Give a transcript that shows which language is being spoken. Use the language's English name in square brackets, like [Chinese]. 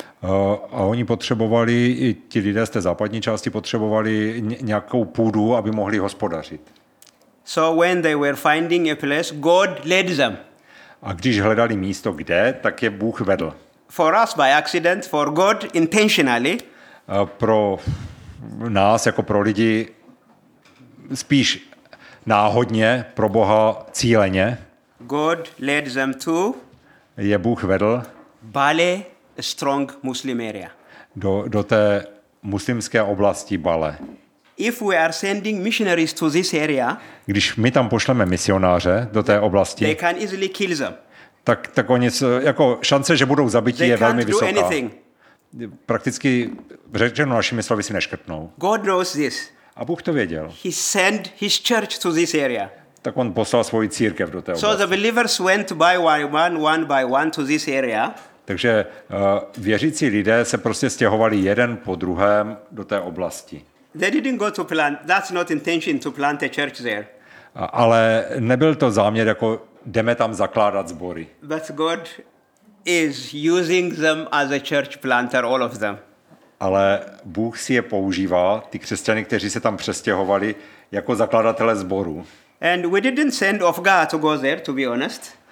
[Czech] A oni potřebovali, i ti lidé z té západní části potřebovali nějakou půdu, aby mohli hospodařit. [English] So when they were finding a place, God led them. [Czech] A když hledali místo kde, tak je Bůh vedl. [English] For us by accident, for God intentionally. [Czech] Pro nás jako pro lidi spíš náhodně, pro Boha cíleně. [English] God led them to. [Czech] Je Bůh vedl. [English] Bale. A strong Muslim area. [Czech] Do té muslimské oblasti Bale. [English] If we are sending missionaries to this area, [Czech] když my tam pošleme misionáře do té oblasti, [English] they can easily kill them. [Czech] Tak oni jako šance, že budou zabiti, je velmi vysoká. [English] They can't do anything. [Czech] Prakticky řečeno našimi slovy si neškrtnou. [English] God knows this. [Czech] A Bůh to věděl. [English] He sent his church to this area. [Czech] Tak on poslal svoji církev do té oblasti. [English] So the believers went by one by one to this area. [Czech] Takže věřící lidé se prostě stěhovali jeden po druhém do té oblasti. [English] They didn't go to plant. That's not intention to plant a church there. [Czech] Ale nebyl to záměr, jako jdeme tam zakládat sbory. [English] But God is using them as a church planter, all of them. [Czech] Ale Bůh si je používá, ty křesťany, kteří se tam přestěhovali, jako zakladatele sboru. [English] And we didn't send of God to go there, to be honest.